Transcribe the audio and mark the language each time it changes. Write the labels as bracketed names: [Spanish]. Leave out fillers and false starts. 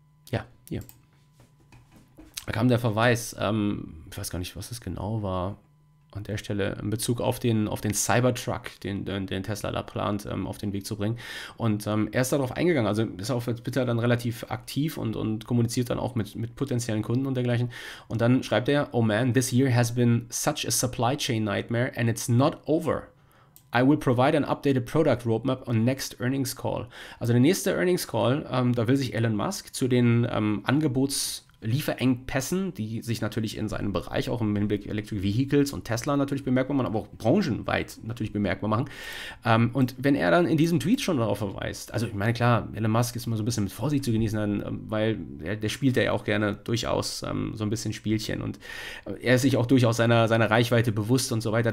[German] Ja, hier. Da kam der Verweis, ich weiß gar nicht, was es genau war, an der Stelle in Bezug auf den Cybertruck, den Tesla da plant, auf den Weg zu bringen. Und er ist darauf eingegangen, also ist auf Twitter dann relativ aktiv und kommuniziert dann auch mit potenziellen Kunden und dergleichen. Und dann schreibt er: [English] Oh man, this year has been such a supply chain nightmare and it's not over. I will provide an updated product roadmap on next earnings call. [German] Also der nächste Earnings Call, da will sich Elon Musk zu den Lieferengpässen, die sich natürlich in seinem Bereich auch im Hinblick Electric Vehicles und Tesla natürlich bemerkbar machen, aber auch branchenweit natürlich bemerkbar machen. Und wenn er dann in diesem Tweet schon darauf verweist, also ich meine, klar, Elon Musk ist immer so ein bisschen mit Vorsicht zu genießen, weil der spielt ja auch gerne durchaus so ein bisschen Spielchen und er ist sich auch durchaus seiner Reichweite bewusst und so weiter.